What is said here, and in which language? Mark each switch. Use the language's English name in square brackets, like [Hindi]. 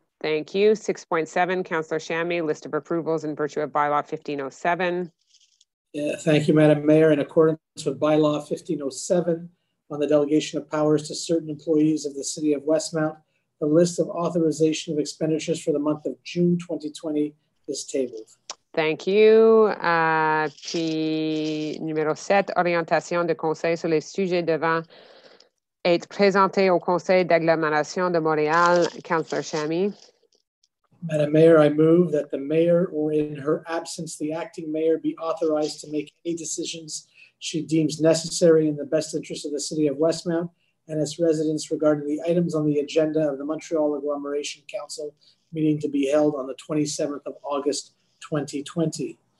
[English] Thank you. 6.7, Councillor Chamy, list of approvals in virtue of bylaw 1507. Yeah, thank you, Madam Mayor. In accordance with bylaw 1507 on the delegation of powers to certain employees of the City of Westmount, the list of authorization of expenditures for the month of June 2020 is tabled. Thank you. [French] Puis, numéro 7, orientation de conseil sur les sujets devant être présenté au Conseil d'agglomération de Montréal, Councillor Chamy. [English] Madam Mayor, I move that the mayor or in her absence, the acting mayor be authorized to make any decisions she deems necessary in the best interest of the City of Westmount and its residents regarding the items on the agenda of the Montreal Agglomeration Council meeting to be held on the 27th of August, 2020.